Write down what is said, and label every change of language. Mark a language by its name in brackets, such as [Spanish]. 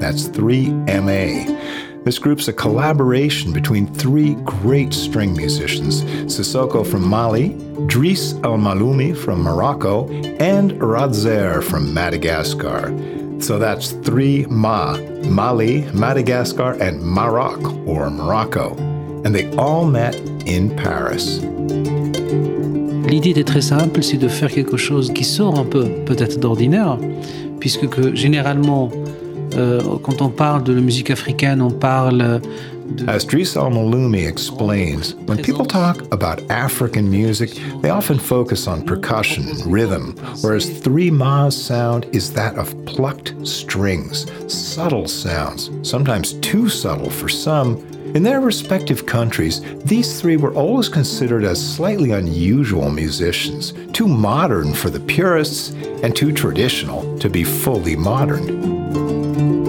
[English] That's 3MA. This group's a collaboration between three great string musicians, Sissoko from Mali, Driss El Maloumi from Morocco, and Radzer from Madagascar. So that's 3MA, Mali, Madagascar, and Maroc, or Morocco. And they all met in Paris. [French] L'idée était très simple, c'est de faire quelque chose qui sort un peu, peut-être, d'ordinaire, puisque que généralement, quand on parle de la musique africaine, on parle de... [English] As Driss El Maloumi explains, when people talk about African music, they often focus on percussion, rhythm, whereas 3MA's sound is that of plucked strings, subtle sounds, sometimes too subtle for some. In their respective countries, these three were always considered as slightly unusual musicians, too modern for the purists and too traditional to be fully modern.